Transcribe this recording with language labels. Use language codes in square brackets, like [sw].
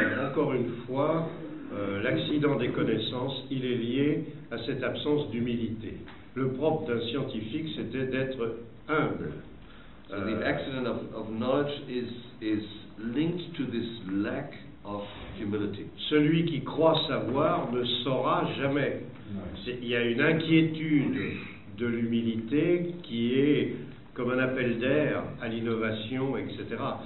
[fr] Encore une fois, l'accident des connaissances, il est lié à cette absence d'humilité. Le propre d'un scientifique, c'était d'être humble. [en] The accident of knowledge is linked to this lack of humility. [fr] Celui qui croit savoir ne saura jamais. Il y a une inquiétude de l'humilité qui est comme un appel d'air à l'innovation, etc.